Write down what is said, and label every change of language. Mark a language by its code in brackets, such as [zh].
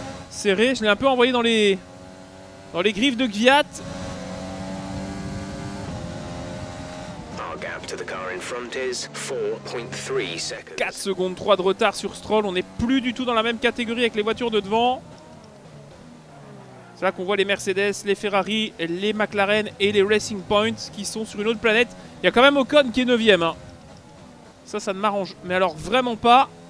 [fr] Serré, je l'ai un peu envoyé dans les griffes de Kvyat. [en] Our gap to the car in front is 4.3 seconds. [fr] 4 secondes 3 de retard sur Stroll. On n'est plus du tout dans la même catégorie avec les voitures de devant. C'est là qu'on voit les Mercedes, les Ferrari, les McLaren et les Racing Point qui sont sur une autre planète. Il y a quand même Ocon qui est 9ème. Hein. Ça ne m'arrange. Mais alors vraiment pas.